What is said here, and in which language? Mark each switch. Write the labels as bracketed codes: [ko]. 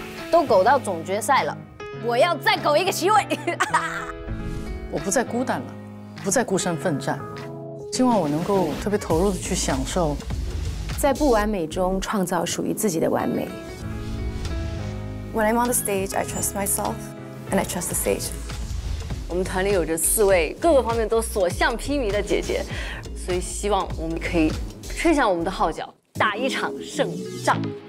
[zh] 都苟到总决赛了，我要再苟一个席位。我不再孤单了，不再孤身奋战，希望我能够特别投入的去享受，在不完美中创造属于自己的完美。 [en] When I'm on the stage, I trust myself, and I trust the stage. [zh] 我们团里有着四位各个方面都所向披靡的姐姐，所以希望我们可以吹响我们的号角，打一场胜仗。